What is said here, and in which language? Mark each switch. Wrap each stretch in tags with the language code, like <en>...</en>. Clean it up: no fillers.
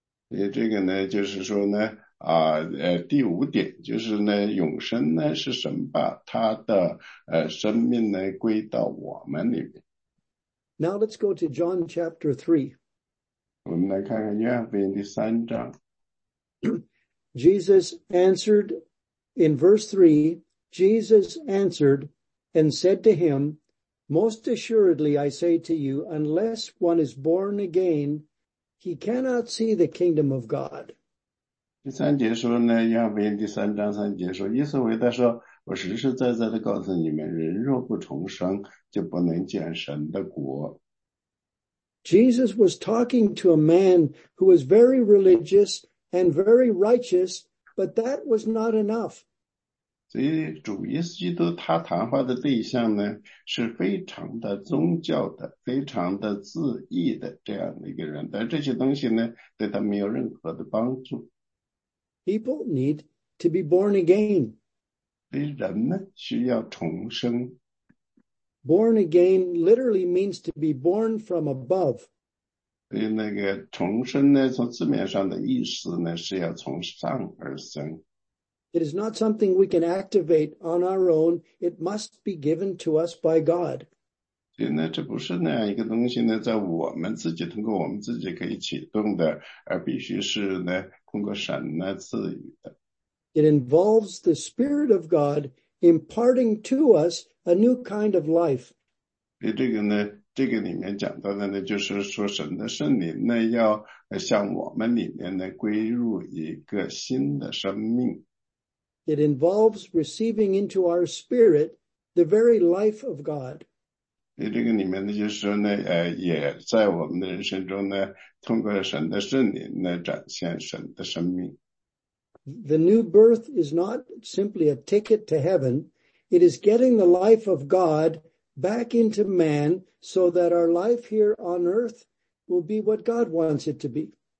<zh>这个呢, 就是说呢, 第五点, 就是呢, 永生呢, 是神把, 祂的, 生命呢, 归到我们里面。</zh> <en>Now let's go to John chapter 3.</en> <zh>我们来看看约翰福音第三章。</zh> <en>Jesus answered in verse 3, Jesus answered and said to him, Most assuredly I say to you, unless one is born again, he cannot see the kingdom of God.</en> <zh>第三节说呢，约翰福音第三章三节说，意思为他说，我实实在在的告诉你们，人若不重生，就不能见神的国。</zh> <en>Jesus was talking to a man who was very religious and very righteous, but that was not enough.</en> <zh>所以主耶稣基督他谈话的对象呢, 是非常的宗教的, 非常的自义的这样的一个人, 但这些东西呢, 对他没有任何的帮助。</zh> <en>People need to be born again.</en> <zh>所以人呢, 需要重生。</zh> <en>Born again literally means to be born from above.</en> <zh>所以那个重生呢, 从字面上的意思呢, 是要从上而生。</zh> <en>It is not something we can activate on our own. It must be given to us by God.</en> <zh>所以呢, 这不是那样一个东西呢, 在我们自己, 通过我们自己可以启动的, 而必须是呢, 通过神呢, 赐予的。</zh> <en>It involves the Spirit of God imparting to us a new kind of life.</en> <zh>所以这个呢, 这个里面讲到的呢, 就是说神的圣灵呢, 要向我们里面呢, 归入一个新的生命。</zh> <en>It involves receiving into our spirit the very life of God.</en> <zh>所以这个里面呢, 就是说呢, 也在我们的人生中呢, 通过神的圣灵呢, 展现神的生命。</zh> <en>The new birth is not simply a ticket to heaven. It is getting the life of God back into man so that our life here on earth will be what God wants it to be.</en>